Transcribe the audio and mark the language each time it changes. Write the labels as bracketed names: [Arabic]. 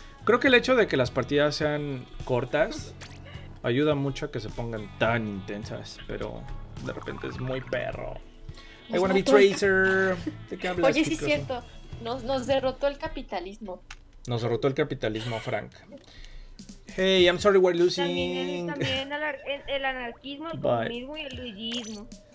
[Spanish] Creo que el hecho de que las partidas sean cortas ayuda mucho a que se pongan tan intensas, pero de repente es muy perro. [English] Nos I wanna be Tracer. [Spanish] ¿De qué hablas? Oye, sí es cierto. Nos derrotó el capitalismo. Nos derrotó el capitalismo, Frank. [English] Hey, I'm sorry we're losing. [Spanish] También el anarquismo, el comunismo y el luigismo.